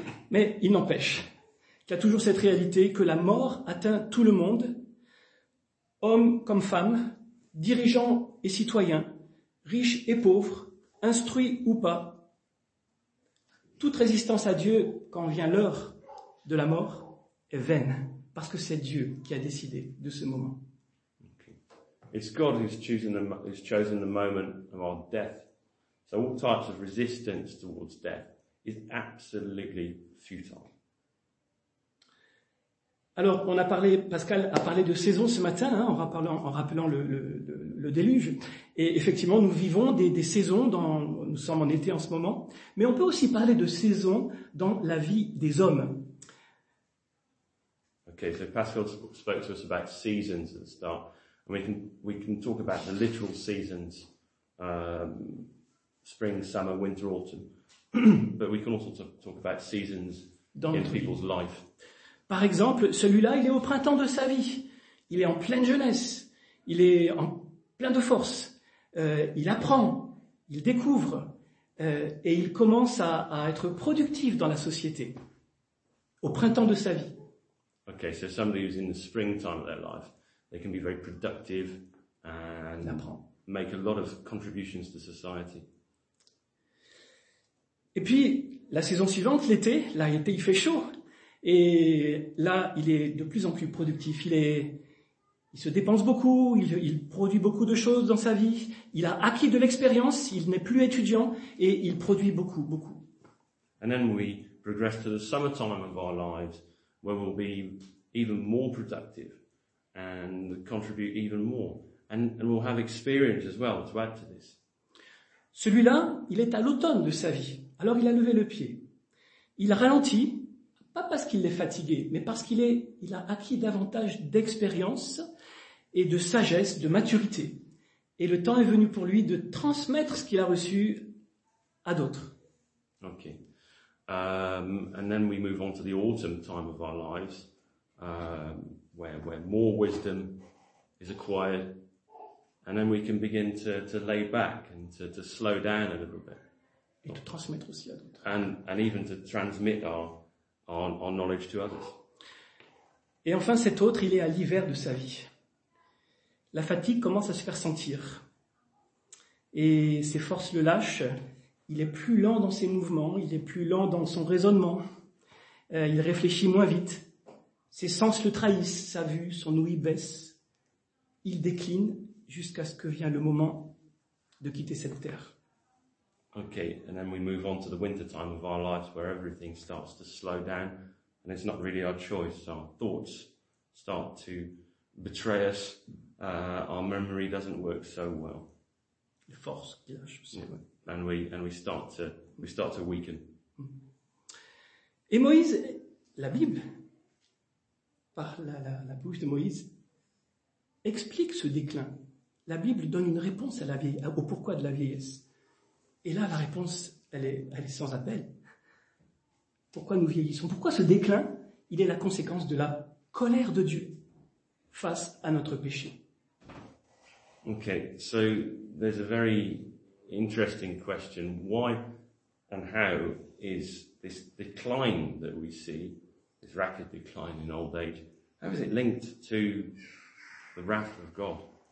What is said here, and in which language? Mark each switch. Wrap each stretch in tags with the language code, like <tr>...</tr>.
<fr>Mais il n'empêche qu'il y a toujours cette réalité que la mort atteint tout le monde, homme comme femme, dirigeant et citoyen, riche et pauvre, instruit ou pas. Toute résistance à Dieu quand vient l'heure de la mort est vaine, parce que c'est Dieu qui a décidé de ce moment.</fr> <en>It's God who's chosen the moment of our death. So all types of resistance towards death is absolutely futile.</en> <fr>Alors, on a parlé, Pascal a parlé de saison ce matin, hein, en rappelant le déluge. Et effectivement, nous vivons des saisons, nous sommes en été en ce moment. Mais on peut aussi parler de saison dans la vie des hommes.</fr> <en>Okay, so Pascal spoke to us about seasons at the start. And we can talk about the literal seasons, spring, summer, winter, autumn. But we can also talk about seasons dans in people's life.</en> <fr>Par exemple, celui-là, il est au printemps de sa vie. Il est en pleine jeunesse. Il est en plein de force. Il apprend. Il découvre. Et il commence à être productif dans la société. Au printemps de sa vie.</fr> <en>Okay, so somebody who's in the springtime of their life, they can be very productive and</en> <fr>apprend.</fr> <en>Make a lot of contributions to society.</en> <fr>Et puis, la saison suivante, l'été, là, l'été, il fait chaud. Et là, il est de plus en plus productif. Il se dépense beaucoup, il produit beaucoup de choses dans sa vie. Il a acquis de l'expérience, il n'est plus étudiant et il produit beaucoup, beaucoup.</fr> <en>And then we progress to the summertime of our lives where we'll be even more productive and contribute even more. And we'll have experience as well to add to this.</en> <fr>Celui-là, il est à l'automne de sa vie. Alors il a levé le pied. Il ralentit. Pas parce qu'il est fatigué, mais parce qu'il a acquis davantage d'expérience et de sagesse, de maturité. Et le temps est venu pour lui de transmettre ce qu'il a reçu à d'autres. Ok.</fr> <en>And then we move on to the autumn time of our lives, where more wisdom is acquired, and then we can begin to lay back and to slow down a little bit.</en> <fr>Et de transmettre aussi à d'autres.</fr> <en>And even to transmit our knowledge to others.</en> <fr>Et enfin, cet autre, il est à l'hiver de sa vie. La fatigue commence à se faire sentir. Et ses forces le lâchent. Il est plus lent dans ses mouvements. Il est plus lent dans son raisonnement. Il réfléchit moins vite. Ses sens le trahissent. Sa vue, son ouïe baisse. Il décline jusqu'à ce que vient le moment de quitter cette terre.</fr> <en>Okay, and then we move on to the winter time of our lives where everything starts to slow down and it's not really our choice. Our thoughts start to betray us. Our memory doesn't work so well.</en> <fr>Les forces qui lâchent aussi.</fr> <en>Yeah. And we start to weaken.</en> <fr>Et Moïse, la Bible, par la bouche de Moïse, explique ce déclin. La Bible donne une réponse à la vieille, au pourquoi de la vieillesse. Et là, la réponse, elle est sans appel. Pourquoi nous vieillissons? Pourquoi ce déclin? Il est la conséquence de la colère de Dieu face à notre péché.</fr> <en>Okay, so there's a very interesting question. Why and how is this decline that we see, this rapid decline in old age, how is it linked to the wrath of God?</en>